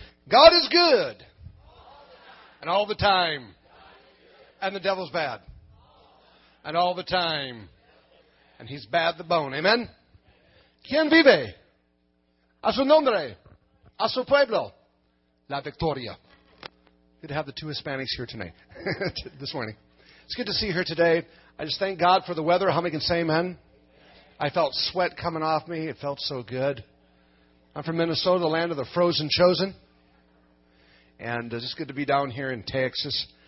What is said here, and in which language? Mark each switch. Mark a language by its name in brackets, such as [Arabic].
[English] God is good, and all the time, and the devil's bad, and all the time, and he's bad the bone. [Spanish] Amen? ¿Quién vive? A su nombre, a su pueblo, la victoria. [English] Good to have the two Hispanics here tonight, this morning. It's good to see you here today. I just thank God for the weather. How many can say amen? I felt sweat coming off me. It felt so good. I'm from Minnesota, the land of the frozen chosen. And it's just good to be down here in Texas.